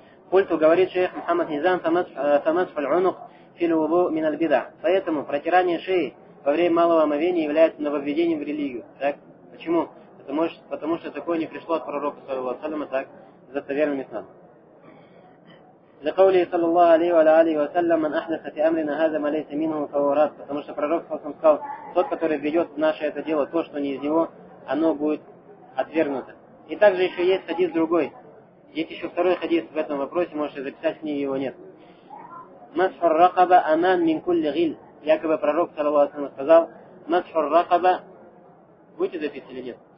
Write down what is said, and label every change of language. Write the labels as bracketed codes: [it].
[ru] Пульту говорит шейх Мухаммад Низам Самадж Фальонух Филуву Минальбида. Поэтому протирание шеи во время малого омовения является нововведением в религию. Так? Почему? Потому что такое не пришло от пророка, саллаллаху алейхи ва саллям, так, затоверным иснам. [ar] لقوله صلى الله عليه وعلى آله وسلم من أحدث في أمرنا هذا ما ليس منه فهو رد. [ru] Потому что пророк сказал, тот, который ведет в наше это дело, то, что не из него, оно будет отвергнуто. И также еще есть хадис другой. Есть еще второй хадис в этом вопросе, можете записать, в книге его нет. [ar] مسح الرقبة أمان من كل غل. [ru] Якобы пророк, саллаллаху алейхи ва саллям, сказал, [ar] مسح الرقبة. [ru] Будете записывать или нет?